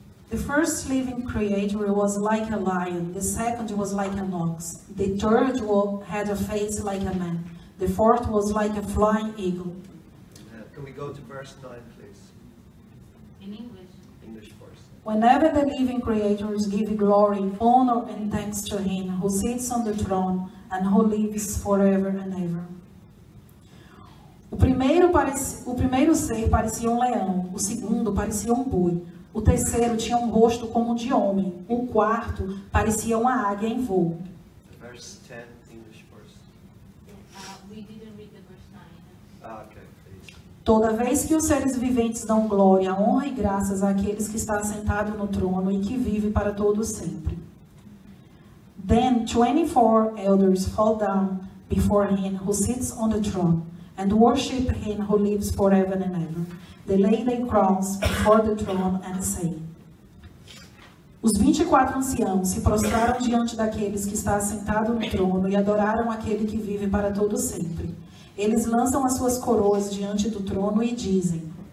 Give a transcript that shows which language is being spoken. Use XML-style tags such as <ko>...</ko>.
<en>The first living creature was like a lion, the second was like an ox, the third had a face like a man, the fourth was like a flying eagle. Can we go to verse 9, please? In English. English first. Whenever the living creatures give glory, honor, and thanks to him who sits on the throne and who lives forever and ever.</en> <pt>O primeiro ser parecia leão, o segundo parecia boi. O terceiro tinha um rosto como de homem. O quarto parecia uma águia em voo.</pt> <en>Verse 10, English verse. We didn't read the verse 9. Ah, okay,</en> <pt>toda vez que os seres viventes dão glória, honra e graças àqueles que está sentado no trono e que vive para todo sempre.</pt> <en>Then 24 elders fall down before him who sits on the throne and worship him who lives forever and ever. They lay their crowns before the throne and say.</en> <pt>Os 24 anciãos se prostraram diante daqueles que está sentado no trono e adoraram aquele que vive para todo sempre. Eles lançam as suas coroas diante do trono e dizem.</pt>